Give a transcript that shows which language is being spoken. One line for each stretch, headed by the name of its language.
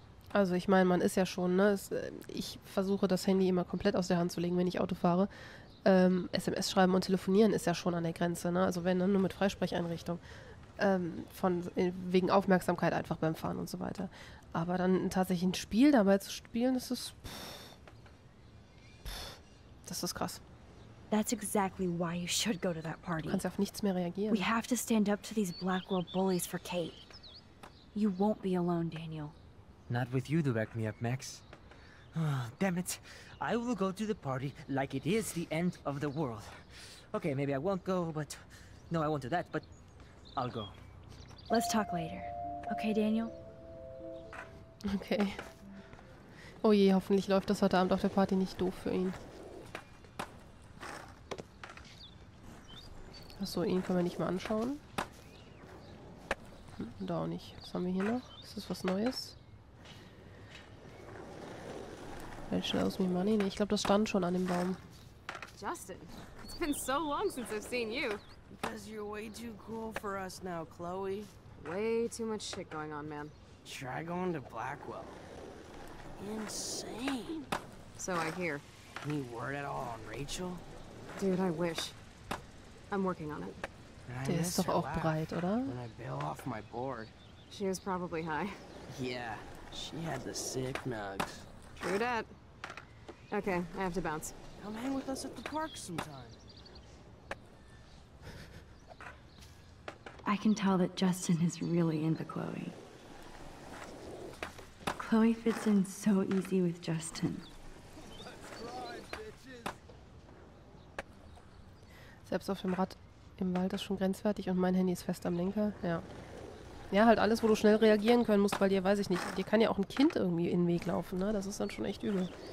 German: Also ich meine, man ist ja schon, ne? Ich versuche das Handy immer komplett aus der Hand zu legen, wenn ich Auto fahre. SMS schreiben und telefonieren ist ja schon an der Grenze, ne? Also wenn, dann nur mit Freisprecheinrichtung. Wegen Aufmerksamkeit einfach beim Fahren und so weiter. Aber dann tatsächlich ein Spiel dabei zu spielen, das ist... Das ist krass.
English: That's exactly why you should go to that party.
German: Du kannst auf nichts mehr reagieren.
English: We have to stand up to these Blackwell bullies for Kate. You won't be alone, Daniel. Not with you to back me up, Max. Oh, damn it. I will go to the party like it is the end of the world. Okay, maybe I won't go, but... No, I won't do that, but I'll go. Let's talk later. Okay, Daniel? Okay.
German: Oh je, hoffentlich läuft das heute Abend auf der Party nicht doof für ihn. Achso, ihn können wir nicht mal anschauen. Da auch nicht. Was haben wir hier noch? Ist das was Neues? Menschen aus wie Money? Nee, ich glaube, das stand schon an dem Baum.
English: Justin, it's been so long since I've seen you. Because you're way too cool for us now, Chloe. Way too much shit going on, man. Try going to Blackwell. Insane. So I hear. Any word at all on Rachel? Dude, I wish. I'm working on it.
German: Der ist doch auch breit, oder?
English: When I bail off my board. She was probably high. Yeah, she had the sick nugs. True that. Okay, I have to bounce. Come hang with us at the park sometime. I can tell that Justin is really into Chloe. Chloe fits in so easy with Justin.
German: Selbst auf dem Rad im Wald ist schon grenzwertig und mein Handy ist fest am Lenker. Ja. Ja, halt alles, wo du schnell reagieren können musst, weil dir, weiß ich nicht, dir kann ja auch ein Kind irgendwie in den Weg laufen, ne? Das ist dann schon echt übel.